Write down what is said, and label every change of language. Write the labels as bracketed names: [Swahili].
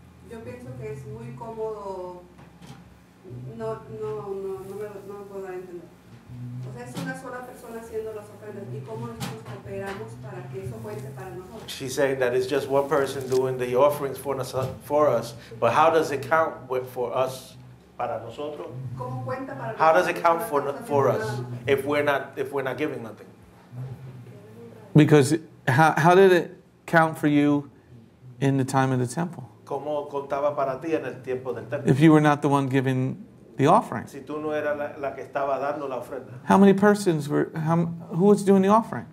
[Spanish] Yo pienso que es muy cómodo, no puedo entender. O sea, es una sola persona haciendo las ofrendas y cómo nosotros cooperamos para que eso cuente para nosotros. [English] She's saying that it's just one person doing the offerings for us, but how does it count for us, [Spanish] para nosotros? ¿Cómo cuenta para nosotros? [English] How does it count for us if we're not giving nothing? Because how did it count for you in the time of the temple? [Spanish] ¿Cómo contaba para ti en el tiempo del templo? [English] If you were not the one giving the offering. [Spanish] Si tú no eras la que estaba dando la ofrenda. [English] How many persons were, who was doing the offering?